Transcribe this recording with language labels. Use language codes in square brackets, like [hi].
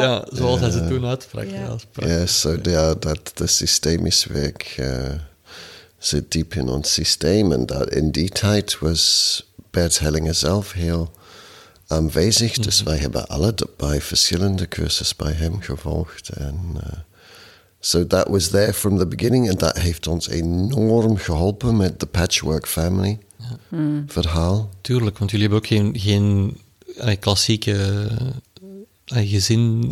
[nl] Ja, zoals hij ze toen uitsprak. Ja, zo dat de systemisch werk zit diep in ons systeem. En dat in die tijd was Bert Hellinger zelf heel aanwezig. Mm-hmm. Dus wij hebben alle bij verschillende cursussen bij hem gevolgd. En [en] so that was there from the beginning. [nl] En dat heeft ons enorm geholpen met de Patchwork Family. Verhaal. Tuurlijk, want jullie hebben ook geen klassieke gezin.